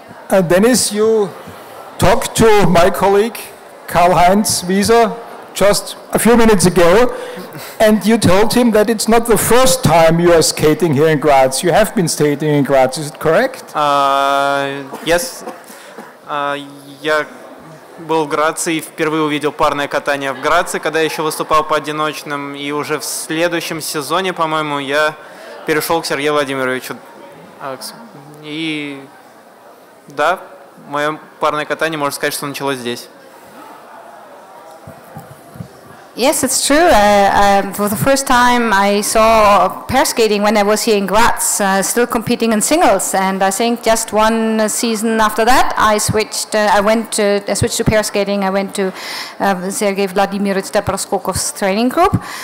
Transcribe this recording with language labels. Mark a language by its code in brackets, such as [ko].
[en] Dennis, you talked to my colleague Karl-Heinz Wieser just a few minutes ago, and you told him that it's not the first time you are skating here in Graz. You have been skating in Graz, is it correct? Yes. [ru] Я был в Граце и впервые увидел парное катание в Граце, когда я еще выступал по одиночным, и уже в следующем сезоне, по-моему, я перешел к Сергею Владимировичу. И да, мое парное катание, можно сказать, что началось здесь. [en] Yes, it's true. For the first time, I saw pair skating when I was here in Graz, still competing in singles. And I think just one season after that, I switched to pair skating. I went to Sergei Vladimirovich Dobroskokov's training group.